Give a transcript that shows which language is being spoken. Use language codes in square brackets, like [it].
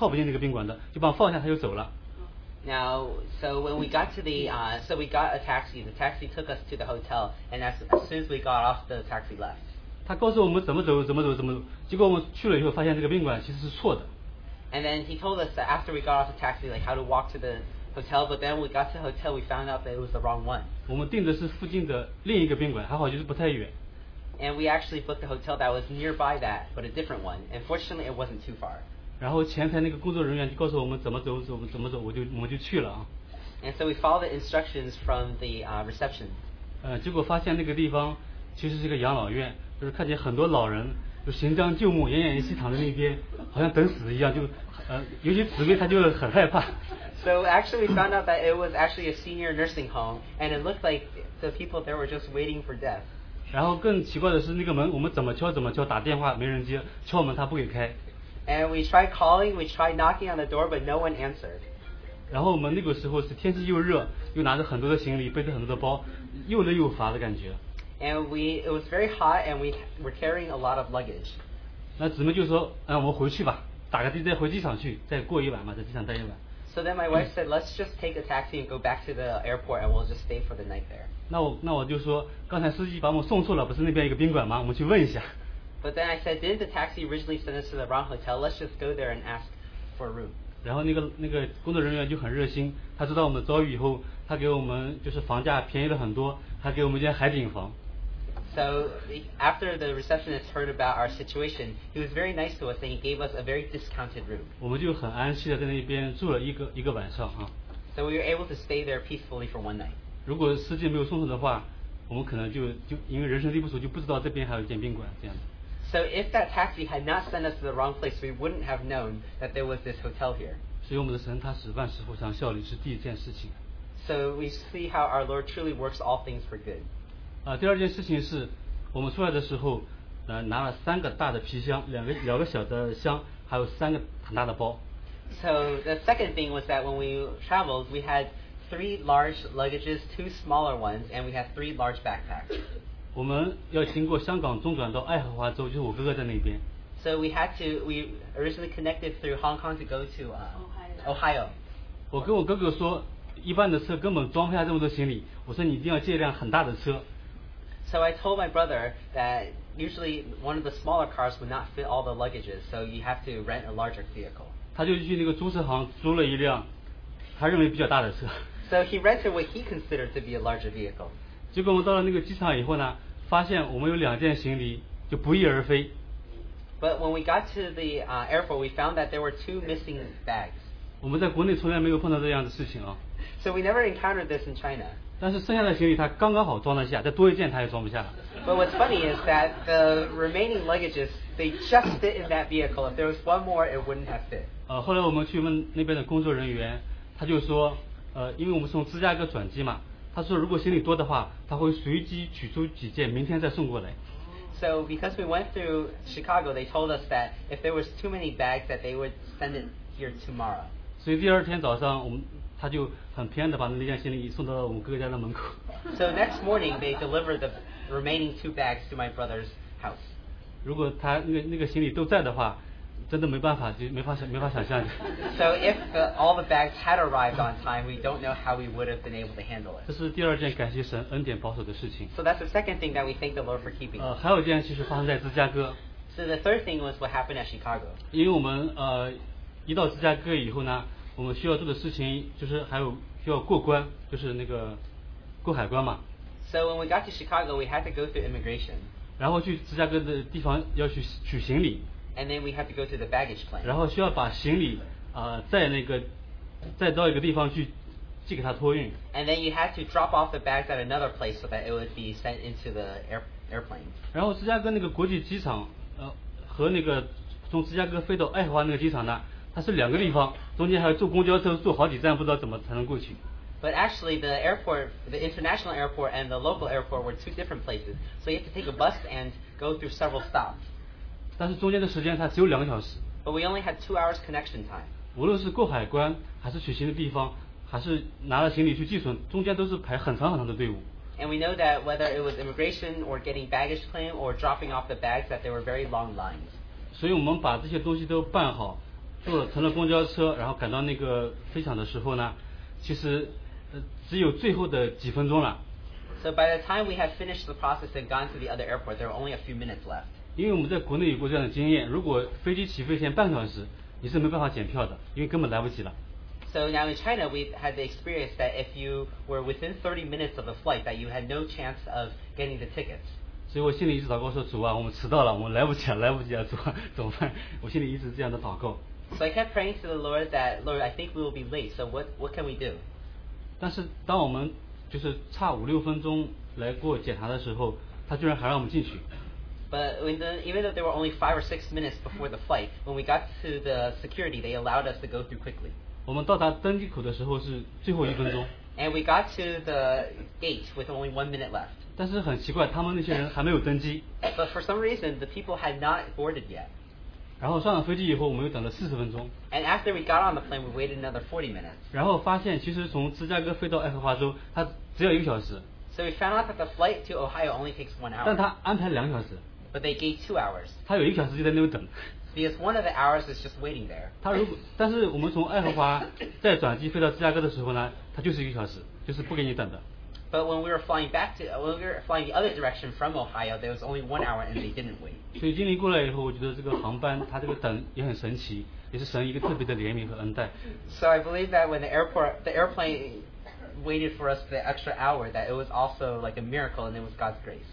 [zh] 但是很神奇的是，当我们说了地名以后，这个司机把我们送到一个地方，但是他车子是靠不进那个宾馆的，就把我放下，他就走了。 [en] Now, so we got a taxi. The taxi took us to the hotel, and as soon as we got off, the taxi left. [zh] 他告诉我们怎么走，怎么走，怎么走。结果我们去了以后，发现这个宾馆其实是错的。 [en] And then he told us that after we got off the taxi, like how to walk to the hotel. But then we got to the hotel, we found out that it was the wrong one. [zh] 我们订的是附近的另一个宾馆，还好就是不太远。 [en] And we actually booked a hotel that was nearby that, but a different one. And fortunately, it wasn't too far. [zh] 然后前台那个工作人员就告诉我们怎么走，怎么走，我们就去了啊。 [en] And so we followed the instructions from the reception. [zh] 结果发现那个地方其实是个养老院，就是看见很多老人就行将就木，奄奄一息躺在那边，好像等死一样，就尤其姊妹她就很害怕。 [en] So actually we found out that it was actually a senior nursing home, and it looked like the people there were just waiting for death. [zh] 然后更奇怪的是那个门我们怎么敲怎么敲打电话没人接敲门他不给开 [en] and we tried calling we tried knocking on the door but no one answered [zh] 然后我们那个时候是天气又热又拿着很多的行李背着很多的包又累又乏的感觉 [en] and we it was very hot and we were carrying a lot of luggage [zh] 那姊妹就说哎，我们回去吧打个的再回机场去再过一晚嘛在机场待一晚 [en] so then my wife said let's just take a taxi and go back to the airport and we'll just stay for the night there [zh] 那我就说刚才司机把我们送错了不是那边一个宾馆吗我们去问一下 [en] but then I said didn't the taxi originally send us to the wrong hotel let's just go there and ask for a room [zh] 然后那个工作人员就很热心他知道我们的遭遇以后他给我们就是房价便宜了很多还给我们一间海景房 [en] so after the receptionist heard about our situation he was very nice to us and he gave us a very discounted room [zh] 我们就很安心的在那边住了一个晚上啊。 [en] so we were able to stay there peacefully for one night [zh] 如果司机没有送错的话我们可能就因为人生地不熟就不知道这边还有一间宾馆这样的 [en] so if that taxi had not sent us to the wrong place we wouldn't have known that there was this hotel here [zh] 所以我们的神他使万事互相效力是第一件事情 [en] So we see how our Lord truly works all things for good. [zh] 第二件事情是我们出来的时候，拿了三个大的皮箱，两个小的箱，还有三个很大的包。 [en] So the second thing was that when we traveled, we had three large luggages, two smaller ones, and we had three large backpacks. [zh] 我们要经过香港中转到爱荷华州，就是我哥哥在那边。 [en] So we originally connected through Hong Kong to go to Ohio. [zh] 我跟我哥哥说。一般的车根本装不下这么多行李我说你一定要借一辆很大的车 [en] so I told my brother that usually one of the smaller cars would not fit all the luggages so you have to rent a larger vehicle [zh] 他就去那个租车行租了一辆他认为比较大的车 [en] so he rented what he considered to be a larger vehicle [zh] 结果我们到了那个机场以后呢发现我们有两件行李就不翼而飞 [en] but when we got to the airport we found that there were two missing bags [zh] 我们在国内从来没有碰到这样的事情啊 [en] So we never encountered this in China. [zh] 但是剩下的行李他刚刚好装得下，再多一件他也装不下。 [en] But what's funny is that the remaining luggages they just fit in that vehicle. If there was one more, it wouldn't have fit. [zh] 后来我们去问那边的工作人员，他就说，因为我们从芝加哥转机嘛，他说如果行李多的话，他会随机取出几件，明天再送过来。 [en] So because we went through Chicago, they told us that if there was too many bags, that they would send it here tomorrow. [zh] 所以第二天早上我们。他就很偏的把那件行李送到我们哥哥家的门口。 [en] So next morning they delivered the remaining two bags to my brother's house. [zh] 如果他那个行李都在的话，真的没办法，就没法想象。 [en] So if all the bags had arrived on time, we don't know how we would have been able to handle it. [zh] 这是第二件感谢神恩典保守的事情。 [en] So that's the second thing that we thank the Lord for keeping. [zh] 还有一件其实发生在芝加哥。 [en] So the third thing was what happened at Chicago. [zh] 因为我们一到芝加哥以后呢。我们需要做的事情就是还有需要过关，就是那个过海关嘛。 [en] So when we got to Chicago, we had to go through immigration. [zh] 然后去芝加哥的地方要去取行李。 [en] And then we had to go through the baggage claim. [zh] 然后需要把行李再到一个地方去寄给他托运。 [en] And then you had to drop off the bags at another place so that it would be sent into the airplane. [zh] 然后芝加哥那个国际机场和那个从芝加哥飞到爱荷华那个机场呢？它是两个地方，中间还要坐公交车，坐好几站，不知道怎么才能过去。 [en] But actually, the airport, the international airport and the local airport were two different places, so you have to take a bus and go through several stops. [zh] 但是中间的时间它只有两个小时。 [en] But we only had 2 hours connection time. [zh] 无论是过海关，还是取行的地方，还是拿了行李去寄存，中间都是排很长很长的队伍。 [en] And we know that whether it was immigration or getting baggage claim or dropping off the bags, that there were very long lines. [zh] 所以我们把这些东西都办好。坐乘了公交车然后赶到那个飞场的时候呢其实只有最后的几分钟了 [en] so by the time we had finished the process and gone to the other airport there were only a few minutes left [zh] 因为我们在国内有过这样的经验如果飞机起飞前半小时你是没办法检票的因为根本来不及了 [en] so now in China we had the experience that if you were within 30 minutes of the flight that you had no chance of getting the tickets [zh] 所以我心里一直祷告说主啊我们迟到了我们来不及了主啊怎么办我心里一直这样的祷告 [en] So I kept praying to the Lord that, Lord, I think we will be late, so what can we do? [zh] 但是当我们就是差五六分钟来过检查的时候，他居然还让我们进去。 [en] But even though there were only 5 or 6 minutes before the flight, when we got to the security, they allowed us to go through quickly. [zh] 我们到达登机口的时候是最后一分钟。 [en] And we got to the gate with only 1 minute left. [zh] 但是很奇怪，他们那些人还没有登机。 [en] But for some reason, the people had not boarded yet. [zh] 然后上了飞机以后，我们又等了40分钟。 [en] And after we got on the plane, we waited another 40 minutes. [zh] 然后发现，其实从芝加哥飞到爱荷华州，它只要一个小时。 [en] So we found out that the flight to Ohio only takes 1 hour. [zh] 但他安排了两个小时。 [en] But they gave 2 hours. [zh] 他有一个小时就在那边等。 [en] Because one of the hours is just waiting there. [zh] 他如果，但是我们从爱荷华再转机飞到芝加哥的时候呢，它就是一个小时，就是不给你等的。 [en] But when we were flying back to, when we were flying the other direction from Ohio, there was only 1 hour and they didn't wait. [zh] 所以经历过来以后，我觉得这个航班它这个等也很神奇，也是神一个特别的怜悯和恩待。 [en] So I believe that when the airplane waited for us the extra hour, that it was also like a miracle and it was God's grace.